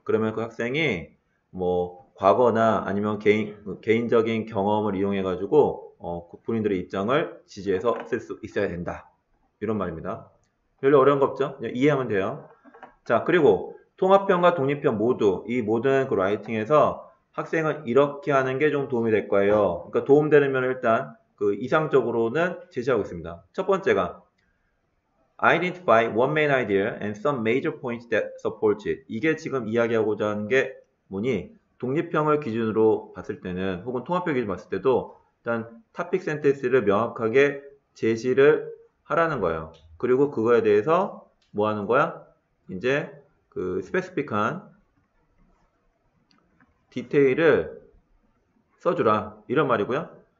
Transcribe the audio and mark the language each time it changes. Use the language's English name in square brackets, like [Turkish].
[Korean] 그러면 그 학생이 뭐 과거나 아니면 개인적인 경험을 이용해 가지고 본인들의 입장을 지지해서 쓸수 있어야 된다. 이런 말입니다. 별로 어려운 거 없죠? 그냥 이해하면 돼요. 자, 그리고 통합형과 독립형 모두 이 모든 그 라이팅에서 학생은 이렇게 하는 게좀 도움이 될 거예요. 그러니까 도움되는 면을 일단 이상적으로는 제시하고 있습니다. [English] 첫 번째가 identify one main idea and some major points that support it. [Korean] 이게 지금 이야기하고자 하는 게 뭐니? 독립형을 기준으로 봤을 때는 혹은 통합형 기준으로 봤을 때도 일단 topic sentence를 명확하게 제시를 하라는 거예요. 그리고 그거에 대해서 뭐 하는 거야? 이제 그 specific한 디테일을 써주라. 이런 말이고요.